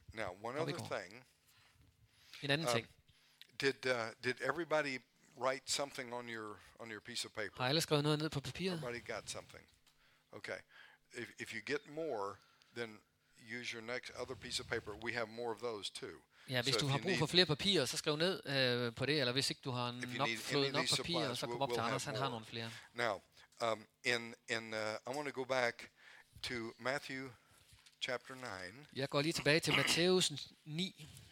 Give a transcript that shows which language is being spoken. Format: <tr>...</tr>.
<en>Now, one other thing.</en> <da>En anden ting.</da> <en>Did everybody write something on your piece of paper?</en> <da>Har alle skrevet noget ned på papiret?</da> <en>Everybody got something. Okay. If you get more, then use your next other piece of paper. We have more of those too.</en> <da>Ja, hvis du har brug for flere papirer, så skriv ned på det, eller hvis ikke du har nok fået nok papirer, så kom op til Anders, han har nogle flere.</da> <en>Now, I want to go back to Matthew chapter 9.</en> <da>Jeg går lige tilbage til Matthæus 9.</da>